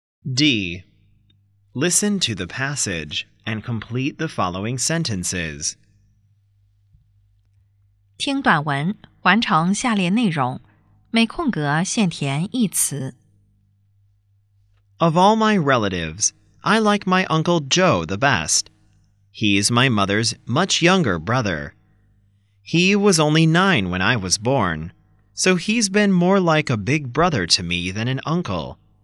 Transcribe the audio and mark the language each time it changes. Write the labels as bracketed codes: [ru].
[en] D. Listen to the passage and complete the following sentences. [zh] 听短文，完成下列内容，每空格限填一词。 [en] Of all my relatives, I like my Uncle Joe the best. He is my mother's much younger brother. He was only 9 when I was born, so he's been more like a big brother to me than an uncle.